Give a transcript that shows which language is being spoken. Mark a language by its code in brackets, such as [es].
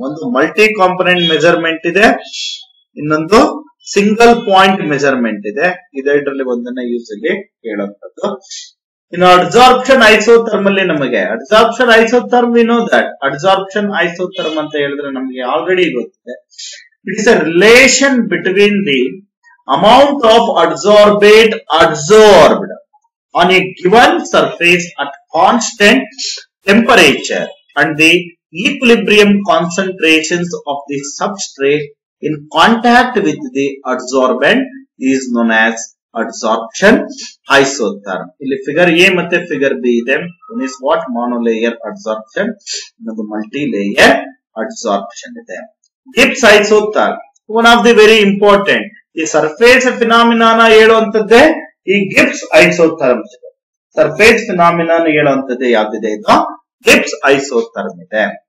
[kn] ಒಂದು multi component measurement ಇದೆ, ಇನ್ನೊಂದು ಸಿಂಗಲ್ ಪಾಯಿಂಟ್ ಮೆಜರ್ಮೆಂಟ್ ಇದೆ. ಇದರಲ್ಲಿ ಒಂದನ್ನ ಯೂಸ್ ಆಗಿ ಹೇಳುವಂಥದ್ದು. ಇನ್ನು ಅಬ್ಸಾರ್ಪ್ಷನ್ ಐಸೋಥರ್ಮ್ ಅಲ್ಲಿ ನಮಗೆ absorption isotherm [en] we know that [kn] absorption isotherm ಅಂತ ಹೇಳಿದ್ರೆ ನಮಗೆ ಆಲ್ರೆಡಿ ಗೊತ್ತಿದೆ. [en] It is a relation between the amount of adsorbate adsorbed on a given surface at constant temperature and the equilibrium concentrations of the substrate in contact with the adsorbent is known as adsorption isotherm. [kn] ಇಲ್ಲಿ figure A ಮತ್ತೆ figure B ಇದೆ. [en] one is what monolayer absorption, [kn] ಇನ್ನೊಂದು multi layer absorption ಇದೆ. Gibbs isotherm [en] one of the very important [kn] ಈ surface ಫಿನಾಮಿನಾನ ಹೇಳುವಂತದ್ದೇ ಈ Gibbs isotherm. Surface ಫಿನಾಮಿನಾನ ಹೇಳುವಂತದ್ದೇ ಯಾವ್ದಿದೆ, ಇದು Gibbs isotherm ಇದೆ.